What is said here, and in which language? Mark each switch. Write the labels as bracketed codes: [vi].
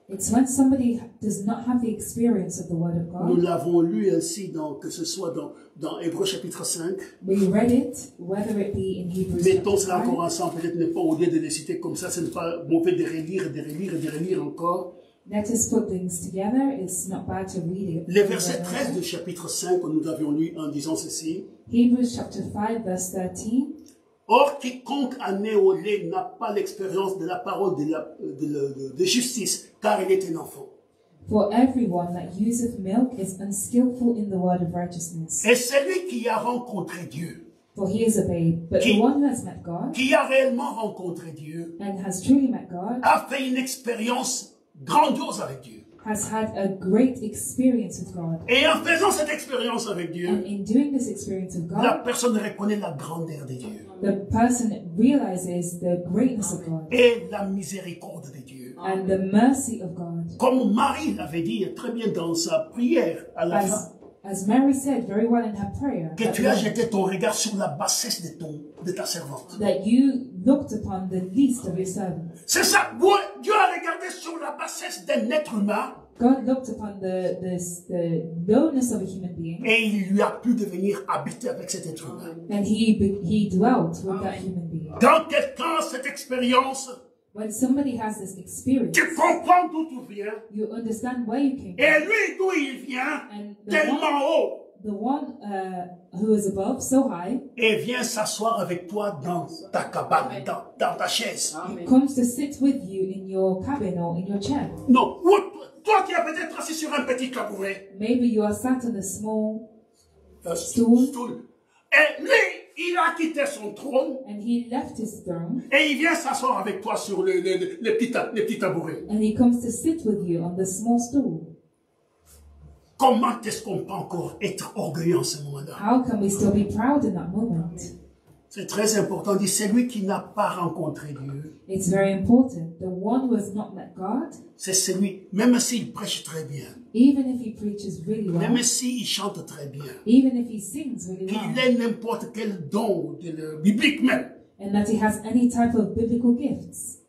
[en] It's when somebody does not have the experience of the word of God. [fr] Nous l'avons lu ainsi dans, que ce soit dans, dans Hébreux chapitre 5. [en] We read it, whether it be in Hebrews chapter 5. [fr] Mettons cela encore ensemble, peut-être ne pas au lieu de les citer comme ça, ce n'est pas mauvais de relire, de relire, de relire encore. [en] Let us put things together, it's not bad to read it. [fr] Les versets 13 du chapitre 5 que nous avions lu en disant ceci. [en] Hebrews chapter 5 verse 13. [fr] Or, quiconque a né au lait n'a pas l'expérience de la parole de justice, car il est un enfant. [en] For everyone that useth milk is unskillful in the word of righteousness. [fr] Et celui qui a rencontré Dieu, [en] for he is a babe, but qui, the one who has met God, [fr] qui a réellement rencontré Dieu, [en] and has truly met God, [fr] a fait une expérience grandiose avec Dieu. [en] Has had a great experience with God. [fr] Et en faisant cette expérience avec Dieu, [en] and in doing this experience with God, [fr] la personne reconnaît la grandeur de Dieu. [en] The person realizes the greatness of God. [fr] Et la miséricorde de Dieu. [en] And the mercy of God. [fr] Comme Marie l'avait dit très bien dans sa prière à la fin. [en] As Mary said very well in her prayer. [fr] Que tu as jeté ton regard sur la bassesse de ton, de ta servante. [en] That you looked upon the least of your servants. [fr] C'est ça. Dieu a regardé sur la bassesse d'un être humain. [en] God looked upon the lowness of a human being. [fr] Et il lui a pu devenir habité avec cet être humain. [en] And he dwelt with that human being. [fr] Dans quel temps cette expérience? [en] When somebody has this experience, [fr] tu comprends d'où tu viens, [en] you understand where you came [fr] et lui d'où il vient, tellement [en] one, [fr] haut, [en] the one who is above, so high, [fr] et vient s'asseoir avec toi dans ta cabane, okay, dans ta chaise. Amen. [en] He comes to sit with you in your cabin or in your chair. [fr] Non, ou, toi qui as peut-être assis sur un petit tabouret. [en] Maybe you are sat on a small stool. [fr] Et lui, il a quitté son trône. [en] And he left his throne. [fr] Et il vient s'asseoir avec toi sur le petit tabouret. [en] And he comes to sit with you on the small stool. [fr] Comment est-ce qu'on peut encore être orgueilleux en ce moment-là? [en] How can we still be proud in that moment? [fr] C'est très important. Dit celui qui n'a pas rencontré Dieu. [en] It's very important. The one who has not met God. [fr] C'est celui, même s'il prêche très bien. [en] Even if he preaches really well. [fr] Même s'il chante très bien. [en] Even if he sings really [fr] qu'il [en] well. [fr] Qu'il ait n'importe quel don de le biblique même. [en] And that he has any type of biblical gifts.